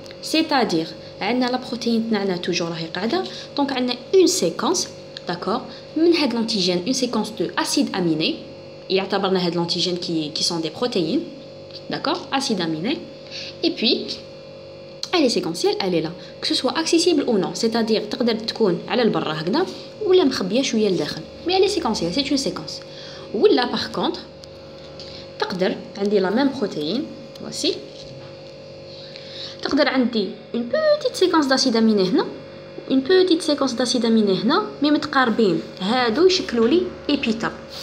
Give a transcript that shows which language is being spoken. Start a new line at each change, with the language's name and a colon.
French: C'est-à-dire, on a la protéine, on a toujours la réqada. Donc, on a une séquence, d'accord? On a de l'antigène, une séquence d'acides aminés. Il y a de l'antigène qui sont des protéines. D'accord, acide aminé. Et puis, elle est séquentielle, elle est là. Que ce soit accessible ou non, c'est-à-dire
Arabic: تقدر تكون على البرا هكذا ولا مخبيه شويه لداخل.
French: Mais elle est séquentielle, c'est une séquence. Ou là par contre,
Arabic: تقدر عندي
French: la même protéine, voici.
Arabic: تقدر عندي
French: une petite séquence d'acide aminé
Arabic: هنا,
French: une petite séquence d'acide aminé هنا, mais
Arabic: متقاربين. هادو يشكلوا لي épitope.